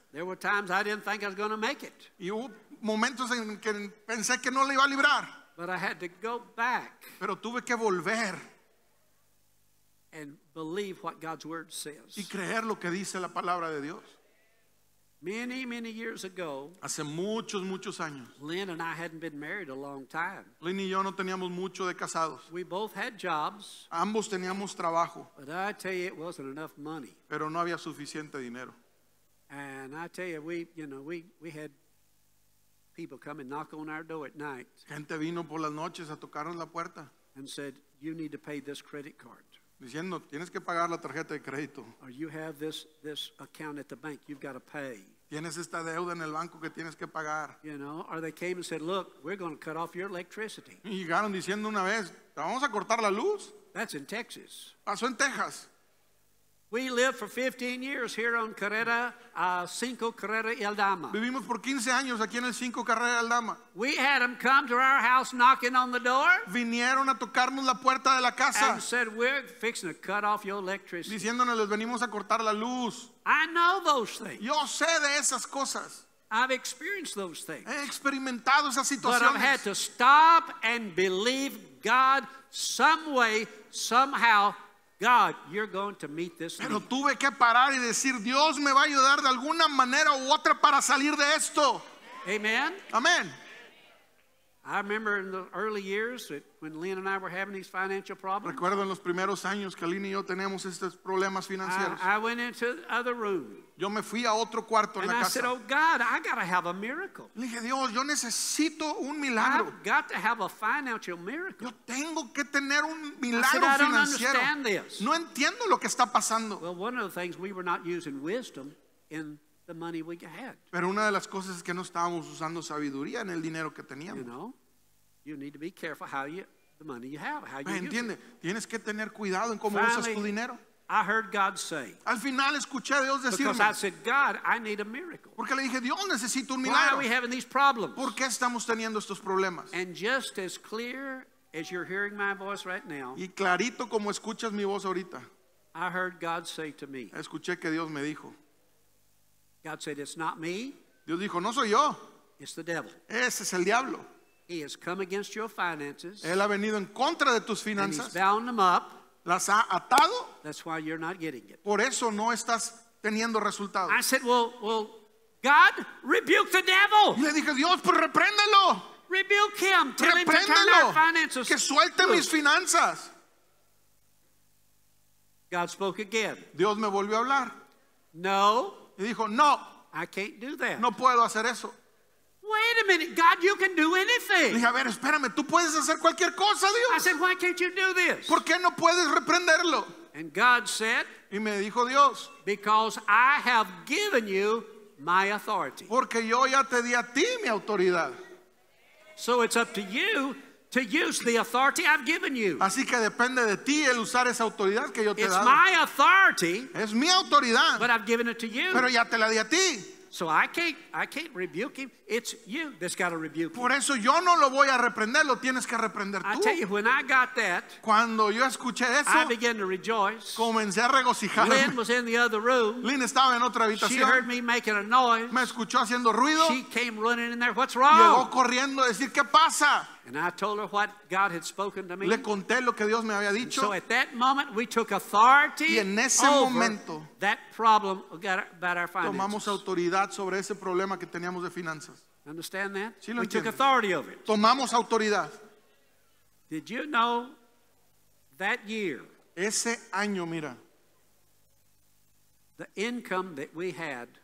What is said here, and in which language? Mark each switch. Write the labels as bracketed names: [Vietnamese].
[English] There were times I didn't think I was going to make it. [Spanish] Y hubo momentos en que pensé que no le iba a librar. [English] But I had to go back. [Spanish] Pero tuve que volver. [English] And believe what God's word says. [Spanish] Y creer lo que dice la palabra de Dios. [English] Many, many years ago. [Spanish] Hace muchos, muchos años. [English] Lynn and I hadn't been married a long time. [Spanish] Lynn y yo no teníamos mucho de casados. [English] We both had jobs. [Spanish] Ambos teníamos trabajo. [English] But I tell you, it wasn't enough money. [Spanish] Pero no había suficiente dinero. [English] And I tell you, we had people come and knock on our door at night. [Spanish] Gente vino por las noches a tocarnos la puerta. [English] And said, you need to pay this credit card. [Spanish] Diciendo, tienes que pagar la tarjeta de crédito. [English] Or you have this account at the bank, you've got to pay. [Spanish] Tienes esta deuda en el banco que tienes que pagar. [English] You know, or they came and said, look, we're going to cut off your electricity. [Spanish] Y llegaron diciendo una vez, ¿te vamos a cortar la luz? [English] That's in Texas. [Spanish] Pasó en Texas. [English] We lived for 15 years here on Carrera, 5 Carrera y Aldama. [Spanish] Vivimos por 15 años aquí en el 5 Carrera y Aldama. [English] We had them come to our house knocking on the door. [Spanish] Vinieron a tocarnos la puerta de la casa. [English] And said, we're fixing to cut off your electricity. [Spanish] Diciéndonos, les venimos a cortar la luz. [English] I know those things. [Spanish] Yo sé de esas cosas. [English] I've experienced those things. [Spanish] He experimentado esas situaciones. [English] But I've had to stop and believe God some way, somehow. God, you're going to meet this need. [Spanish] Pero tuve que parar y decir, Dios me va a ayudar de alguna manera u otra para salir de esto. [English] Amen. Amen. I remember in the early years that when Lynn and I were having these financial problems. [Spanish] Recuerdo en los primeros años que Lynn y yo teníamos estos problemas financieros. [English] I went into the other room. [Spanish] Yo me fui a otro cuarto en la casa. [English] And I said, oh God, I got to have a miracle. [Spanish] Le dije, Dios, yo necesito un milagro. [English] I've got to have a financial miracle. [Spanish] Yo tengo que tener un milagro financiero. [English] I said, I don't understand this. [Spanish] No entiendo lo que está pasando. [English] Well, one of the things, we were not using wisdom in the money we had. [Spanish] Pero una de las cosas es que no estábamos usando sabiduría en el dinero que teníamos. [English] You know, you need to be careful how you, the money you have, how you use it. [Spanish] ¿Entiende? Tienes que tener cuidado en cómo usas tu dinero. [English] I heard God say. [Spanish] Al final escuché a Dios decirme. [English] Because I said, God, I need a miracle. [Spanish] Porque le dije, Dios, necesito un milagro. [English] Why are we having these problems? [Spanish] ¿Por qué estamos teniendo estos problemas? [English] And just as clear as you're hearing my voice right now. [Spanish] Y clarito como escuchas mi voz ahorita. [English] I heard God say to me. [Spanish] Escuché que Dios me dijo. [English] God said, it's not me. [Spanish] Dios dijo, no soy yo. [English] It's the devil. [Spanish] Ese es el diablo. [English] He has come against your finances. [Spanish] Él ha venido en contra de tus finanzas. [English] And he's bound them up. [Spanish] Las ha atado. [English] That's why you're not getting it. [Spanish] Por eso no estás teniendo resultados. [English] I said, well, God, rebuke the devil. [Spanish] Y le dije, Dios, pues repréndelo. [English] Rebuke him. Tell him to turn our finances. [Spanish] Que suelte mis finanzas. [English] God spoke again. [Spanish] Dios me volvió a hablar. [English] No. [Spanish] Y dijo, no. [English] I can't do that. [Spanish] No puedo hacer eso. [English] Wait a minute, God, you can do anything. [Spanish] Dije, a ver, espérame, tú puedes hacer cualquier cosa, Dios. [English] I said, why can't you do this? [Spanish] ¿Por qué no puedes reprenderlo? [English] And God said, [Spanish] y me dijo Dios, [English] because I have given you my authority. [Spanish] Porque yo ya te di a ti mi autoridad. [English] So it's up to you to use the authority I've given you. [Spanish] Así que depende de ti el usar esa autoridad que yo te he dado. [English] It's my authority. [Spanish] Es mi autoridad. [English] But I've given it to you. [Spanish] Pero ya te la di a ti. [English] So I can't rebuke him. It's you that's got to rebuke him. [Spanish] Por eso yo no lo voy a reprender, lo tienes que reprender tú. [English] I tell you, when I got that, [Spanish] cuando yo escuché eso, [English] I began to rejoice. [Spanish] Comencé a regocijarme. [English] Lynn was in the other room. [Spanish] Lynn estaba en otra habitación. [English] She heard me making a noise. [Spanish] Me escuchó haciendo ruido. [English] She came running in there. What's wrong? [Spanish] Llegó corriendo a decir, ¿qué pasa? [English] And I told her what God had spoken to me. [Spanish] Le conté lo que Dios me había dicho. [English] And so at that moment we took authority that problem about our finances. [Spanish] Tomamos autoridad sobre ese problema que teníamos de finanzas. [English] Understand that? [Spanish] ¿Sí lo we entiendes? [English] Took authority over it. [Spanish] Tomamos autoridad. [English] Did you know that year? [Spanish] Ese año, mira. [English] The income that we had.